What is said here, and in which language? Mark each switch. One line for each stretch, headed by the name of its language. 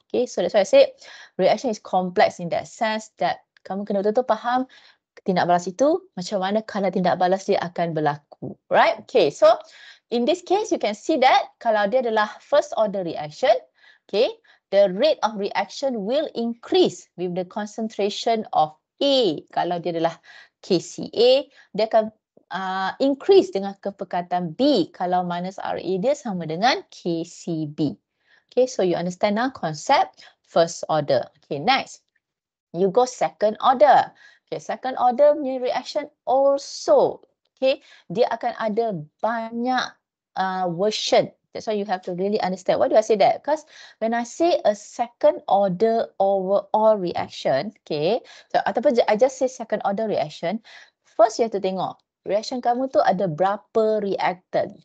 English: Okay, so that's why I said reaction is complex in that sense that
Malay: kamu kena betul-betul faham tindak balas itu macam mana kadar tindak balas dia akan berlaku. Right?
English: Okay, so in this case, you can see that
Malay: kalau dia adalah
English: first order reaction, okay, the rate of reaction will increase with the concentration of A.
Malay: Kalau dia adalah KCA, dia akan increase dengan kepekatan B kalau minus RA dia sama dengan KCB.
English: Okay, so you understand now concept first order. Okay, next. You go second order. Okay, second order punya reaction also.
Malay: Okay, dia akan ada banyak version.
English: That's why you have to really understand. Why do I say that? Because when I say a second order overall reaction, okay, so ataupun I just say second order reaction, first you have to
Malay: tengok reaction kamu tu ada berapa reactant.